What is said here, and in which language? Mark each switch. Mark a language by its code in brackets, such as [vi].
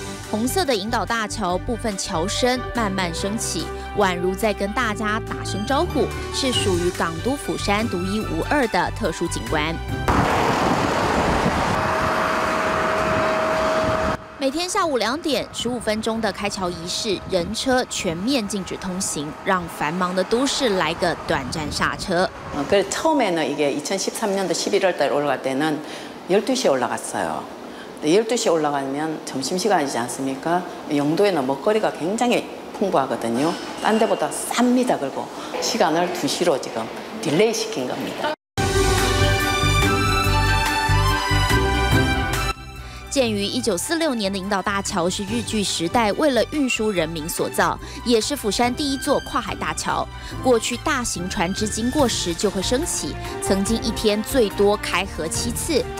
[zh] 红色的引导大桥部分桥身慢慢升起，宛如在跟大家打声招呼，是属于港都釜山独一无二的特殊景观。每天下午2点，15分钟的开桥仪式，人车全面禁止通行，让繁忙的都市来个短暂刹车。 [ko] 그처음에는이게2013년도 11월달올라갈때는12시에올라갔어요12시에올라가면점심시간이지않습니까영도에는먹거리가굉장히풍부하거든요딴데보다쌉니다그리고시간을2시로지금딜레이시킨겁니다 [zh] 建于1946年的引导大桥是日据时代为了运输人民所造，也是釜山第一座跨海大桥。过去大型船只经过时就会升起，曾经一天最多开合7次。